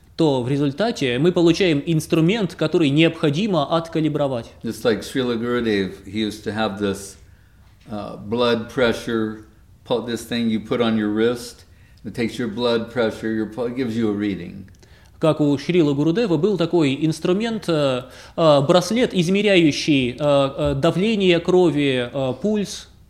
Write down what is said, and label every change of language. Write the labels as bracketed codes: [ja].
[ru] То в результате мы получаем инструмент, который необходимо откалибровать. [en] Just like Srila Gurudev, he used to have this blood pressure, this thing you put on your wrist, it takes your blood pressure, it gives you a reading. [ru] Как у Шрилы Гурудева был такой инструмент, браслет, измеряющий давление крови, пульс.